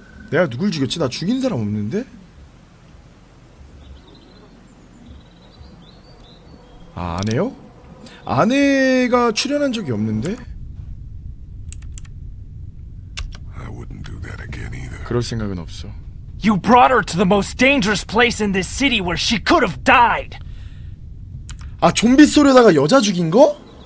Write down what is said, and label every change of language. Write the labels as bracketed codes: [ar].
[ko] 내가 누굴 죽였지? 나 죽인 사람 없는데? 아, 아내요? 아내가 출연한 적이 없는데? [en] I wouldn't do that again either. [ko] 그럴 생각은 없어. [en] You brought her to the most dangerous place in this city where she could have died. [ko] 아, 좀비 쏘려다가 여자 죽인 거?